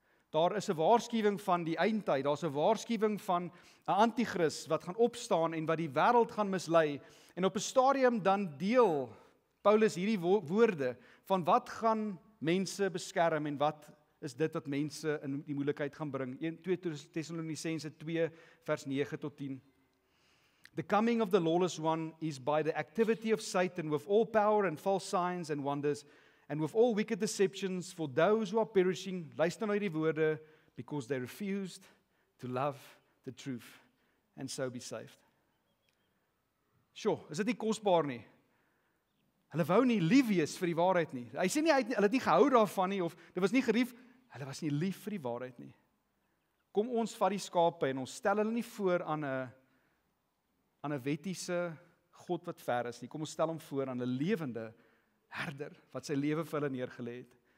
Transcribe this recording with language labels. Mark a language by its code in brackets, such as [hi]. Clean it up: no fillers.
[af] Daar is 'n waarskuwing van die eindtyd, daar's 'n waarskuwing van 'n anti-kris wat gaan opstaan en wat die wêreld gaan mislei en op 'n stadium dan deel Paulus hierdie woorde van wat gaan mense beskerm en wat is dit wat mense in die moeilikheid gaan bring. 2 Tessalonisense 2 vers 9 tot 10. [en] The coming of the lawless one is by the activity of Satan with all power and false signs and wonders and with all wicked deceptions for those who are perishing, [af] luister nou die woorde, [en] because they refused to love the truth and so be saved. [af] Sure, is dit nie kosbaar nie? Hulle wou nie lief wees vir die waarheid nie. Hy sê nie hulle het nie gehou daarvan nie of dit was nie gerief. Hulle was nie lief vir die waarheid nie. Kom ons vat die skape en ons stel hulle nie voor aan 'n wettiese God wat ver is nie. Kom ons stel hom voor aan 'n lewende herder wat sy lewe vir hulle neergelê het.